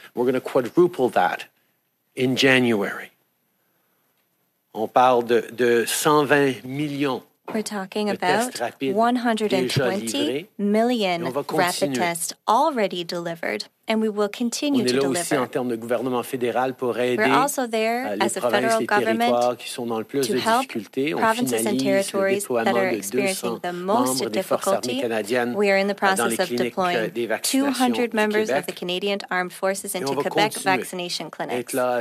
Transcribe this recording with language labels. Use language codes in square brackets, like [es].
[en] We're going to quadruple that in January. [fr] On parle de 120 millions. [en] We're talking about 120 million rapid tests already delivered, and we will continue to deliver. [fr] Aussi en termes de gouvernement fédéral pour aider. [en] We're also there as a federal government to help provinces and territories that are experiencing the most difficulty. We are in the process of deploying 200 members of the Canadian Armed Forces into Quebec vaccination clinics.